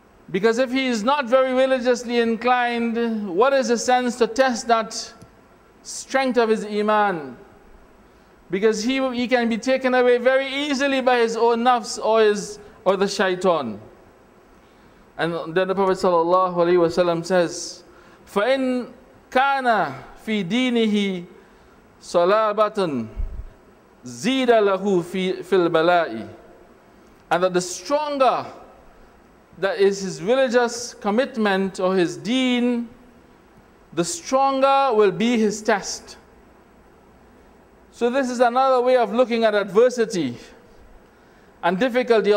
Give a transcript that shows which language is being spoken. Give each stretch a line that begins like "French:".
English: Because if he is not very religiously inclined, what is the sense to test that strength of his iman? Because he can be taken away very easily by his own nafs or the shaitan. And then the Prophet sallallahu alaihi wasallam says,
Arabic: فَإِنْ كَانَ فِي دِينِهِ صَلَابَةٌ زِيدَ لَهُ فِي الْبَلَاءِ.
English: And that the stronger that is his religious commitment or his deen, the stronger will be his test. So this is another way of looking at adversity and difficulty.